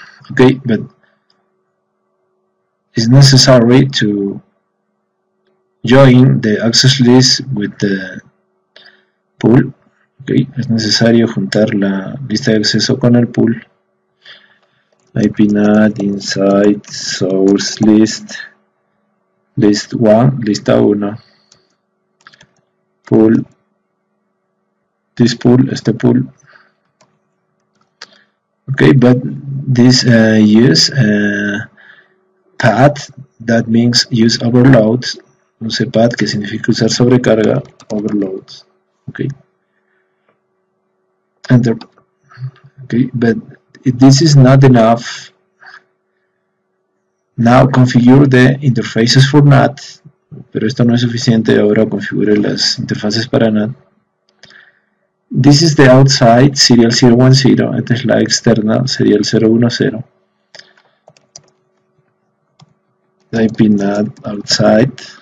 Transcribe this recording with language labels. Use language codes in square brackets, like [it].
[en] Okay, but it's necessary to join the access list with the pool. [es] Okay, es necesario juntar la lista de acceso con el pool. [en] IP NAT inside source list, list 1, lista 1, pool, this pool, [es] este pool. [en] Okay, but this use path, that means use overload, use path [es] que significa usar sobrecarga, [en] overload. Okay, enter. Okay, but if this is not enough, now configure the interfaces for NAT. [es] Pero esto no es suficiente, ahora configure las interfaces para NAT. [en] This is the outside serial 010, [es] esta es la externa, [en] serial 010. IP NAT outside.